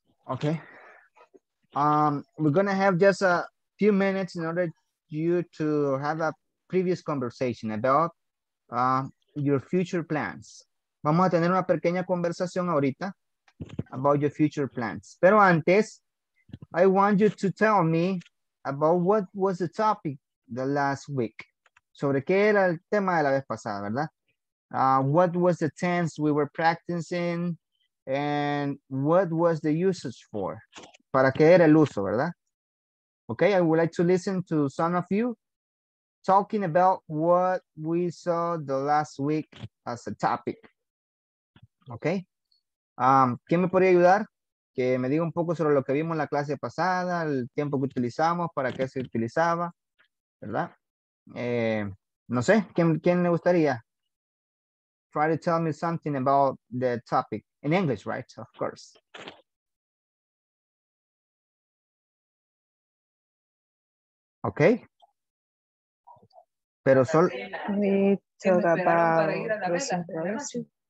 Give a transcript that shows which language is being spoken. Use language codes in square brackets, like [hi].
[en] Okay. We're gonna have just a few minutes in order you to have a previous conversation about your future plans. [es] Vamos a tener una pequeña conversación ahorita [en] about your future plans. [es] Pero antes, [en] I want you to tell me about what was the topic the last week. [es] Sobre qué era el tema de la vez pasada, ¿verdad? [en] What was the tense we were practicing and what was the usage for? [es] ¿Para qué era el uso, verdad? [en] Okay, I would like to listen to some of you talking about what we saw the last week as a topic. [es] Okay. ¿Quién me podría ayudar? Que me diga un poco sobre lo que vimos en la clase pasada, el tiempo que utilizamos, para qué se utilizaba, ¿verdad? No sé, ¿quién le gustaría? [en] Try to tell me something about the topic in English, right? Of course. [es] Okay. Pero solo. [en] We talk about present progressive.